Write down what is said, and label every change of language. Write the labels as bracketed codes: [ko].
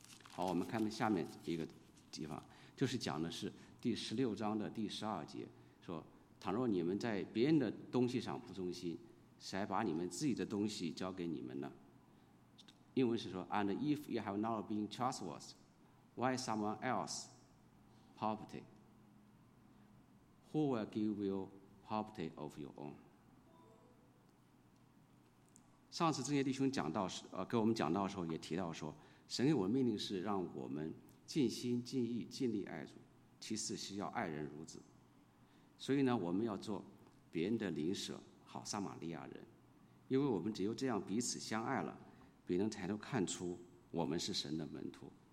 [zh] 好，我们看下面一个地方，就是讲的是16章12节，说倘若你们在别人的东西上不忠心，谁把你们自己的东西交给你们呢？英文是说 [en] And if you have not been trustworthy, why someone else property? Who will give you property of your own? [zh] 上次这些弟兄讲到给我们讲到的时候也提到说，神给我们命令是让我们尽心尽意尽力爱主，其次是要爱人如子。所以呢，我们要做别人的邻舍，好撒玛利亚人，因为我们只有这样彼此相爱了，别人才能看出我们是神的门徒。